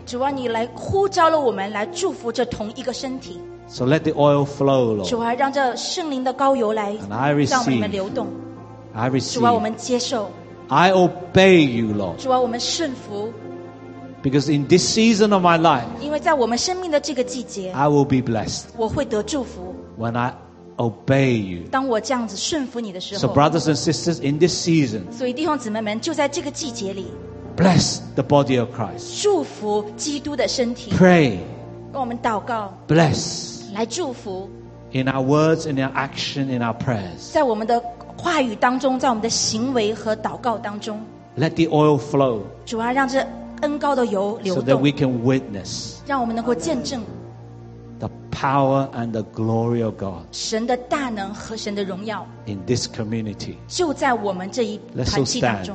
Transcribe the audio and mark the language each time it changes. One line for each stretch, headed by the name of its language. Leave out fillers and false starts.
Chinese: 主啊，你来呼召了我们来祝福这同一个身体。
English: So let the oil flow, Lord.
Chinese: 主啊，让这圣灵的膏油来让我们里面流动。
English: I receive.
Chinese: 主啊，我们接受。
English: I obey you, Lord.
Chinese: 主啊，我们顺服。
English: Because in this season of my life,
Chinese: 因为在我们生命的这个季节
English: I will be blessed.
Chinese: 我会得祝福。
English: When I obey you,
Chinese: 当我这样子顺服你的时候
English: So brothers and sisters, in this season,
Chinese: 所以弟兄姊妹们就在这个季节里
English: Bless the body of Christ.
Chinese: 祝福基督的身体
English: Pray.
Chinese: 让我们祷告
English: Bless.
Chinese: 来祝福
English: In our words, in our action, in our prayers.
Chinese: 在我们的话语当中，在我们的行为和祷告当中。
English: Let the oil flow.
Chinese: 主啊，让这恩膏的油流动。
English: So that we can witness.
Chinese: 让我们能够见证。
English: The power and the glory of God.
Chinese: 神的大能和神的荣耀。
English: In this community.
Chinese: 就在我们这一团契当中。